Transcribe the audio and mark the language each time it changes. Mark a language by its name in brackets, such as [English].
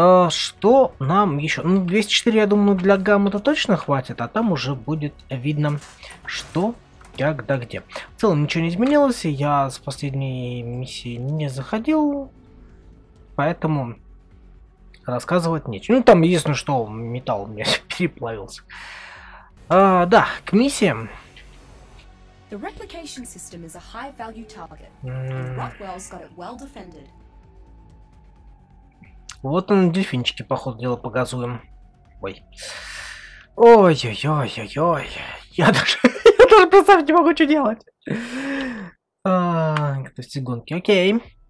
[Russian] Что нам еще? Ну, 204, я думаю, для гаммы-то точно хватит, а там уже будет видно, что, как, да где. В целом ничего не изменилось, я с последней миссии не заходил, поэтому рассказывать нечего. Ну, там единственное, что металл у меня переплавился. Да, к миссиям. [English] The replication system is a high-value target, and Rockwell's got it well defended. [Russian] Вот он, дельфинчики, походу, дело погазуем. Ой. Ой-ой-ой-ой-ой. Я даже представить не могу, что делать. Это все гонки, окей.